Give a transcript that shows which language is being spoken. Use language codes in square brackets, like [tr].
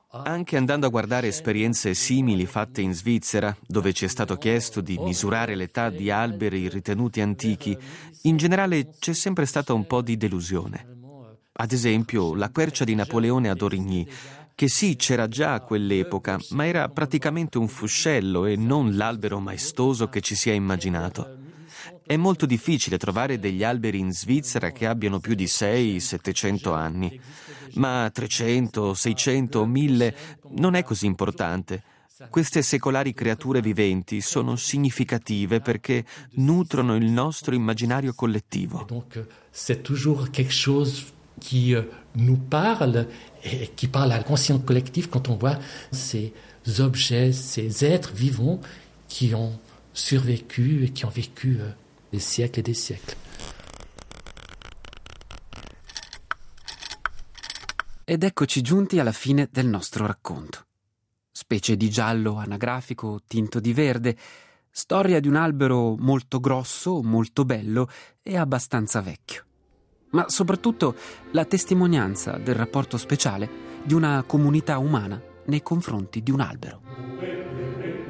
[it] Anche andando a guardare esperienze simili fatte in Svizzera, dove ci è stato chiesto di misurare l'età di alberi ritenuti antichi, in generale c'è sempre stata un po' di delusione. Ad esempio, la quercia di Napoleone ad Origny, che sì, c'era già a quell'epoca, ma era praticamente un fuscello e non l'albero maestoso che ci si è immaginato. È molto difficile trovare degli alberi in Svizzera che abbiano più di 600-700 anni. Ma 300, 600, 1000 non è così importante. Queste secolari creature viventi sono significative perché nutrono il nostro immaginario collettivo. [fr] Donc c'est toujours quelque chose qui nous parle et qui parle al conscient collectif quand on voit ces objets, ces êtres vivants qui ont survécu et qui ont vécu des siècles et des siècles. [it] Ed eccoci giunti alla fine del nostro racconto. Specie di giallo anagrafico tinto di verde, storia di un albero molto grosso, molto bello e abbastanza vecchio. Ma soprattutto la testimonianza del rapporto speciale di una comunità umana nei confronti di un albero.